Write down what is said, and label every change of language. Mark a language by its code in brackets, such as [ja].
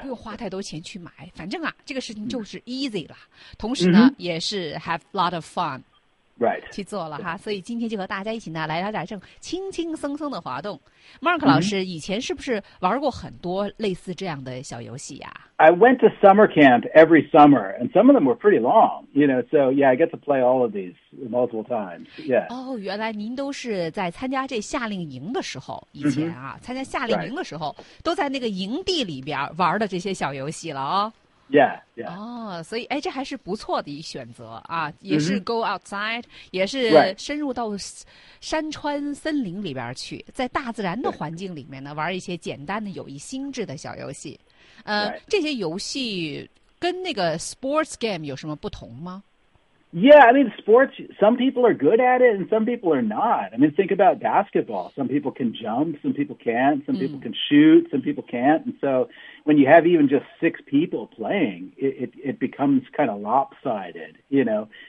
[zh] 不用花太多钱去买，反正这个事情就是 easy 了。同时呢，也是 [en] have a lot of fun. Right. [zh] 去做了哈，所以今天就和大家一起呢来聊点这种轻轻松松的滑动。 Mark 老师以前是不是玩过很多类似这样的小游戏呀？ [en] I went to summer camp every summer, and some of them were pretty long. You know, so yeah, I get to play all of these multiple times. Yeah. [zh] 原来您都是在参加这夏令营的时候，以前参加夏令营的时候，都在那个营地里边玩的这些小游戏了 [en] Yeah, yeah. [zh] 所以这还是不错的一选择也是 [en] go outside, [zh] 也是深入到山川森林里边去，在大自然的环境里面呢玩一些简单的有益心智的小游戏。这些游戏跟那个 sports game 有什么不同吗？ [en] Yeah, I mean, sports, some people are good at it and some people are not. I mean, think about basketball. Some people can jump, some people can't, some people can shoot, some people can't. And so when you have even just six people playing, it becomes kind of lopsided, you know.